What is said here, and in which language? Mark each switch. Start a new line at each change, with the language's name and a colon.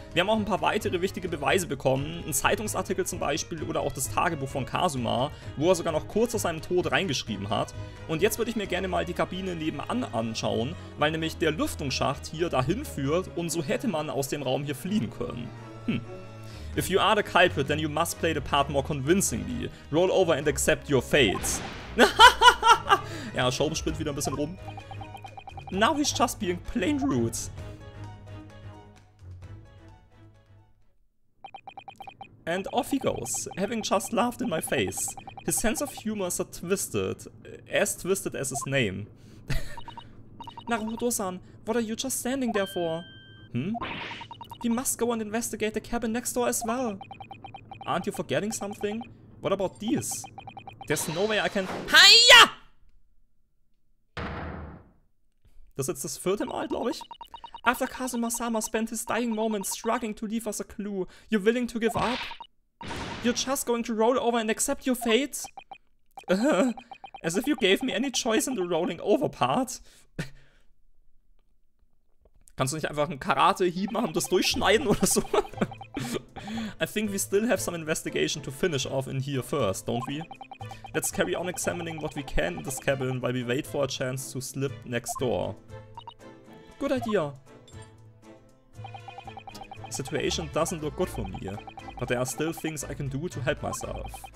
German: Wir haben auch ein paar weitere wichtige Beweise bekommen. Ein Zeitungsartikel zum Beispiel oder auch das Tagebuch von Kazuma, wo er sogar noch kurz vor seinem Tod reingeschrieben hat. Und jetzt würde ich mir gerne mal die Kabine nebenan anschauen, weil nämlich der Lüftungsschacht hier dahin führt und so hätte man aus dem Raum hier fliehen können.
English: If you are the culprit, then you must play the part more convincingly. Roll over and accept your fate.
German: Ja, Sholmes spinnt wieder ein bisschen rum.
English: Now he's just being plain rude. And off he goes, having just laughed in my face. His sense of humor is a twisted as his name. Naruto-san, what are you just standing there for? We must go and investigate the cabin next door as well. Aren't you forgetting something? What about these? There's no way I can... Hiya!
German: Das ist jetzt das vierte Mal, glaube ich.
English: After Kazuma-sama spent his dying moments struggling to leave us a clue, you're willing to give up? You're just going to roll over and accept your fate? As if you gave me any choice in the rolling over part.
German: Kannst du nicht einfach einen Karate-Hieb machen, das durchschneiden oder so?
English: I think we still have some investigation to finish off in here first, don't we? Let's carry on examining what we can in this cabin while we wait for a chance to slip next door. Good idea. The situation doesn't look good for me, but there are still things I can do to help myself.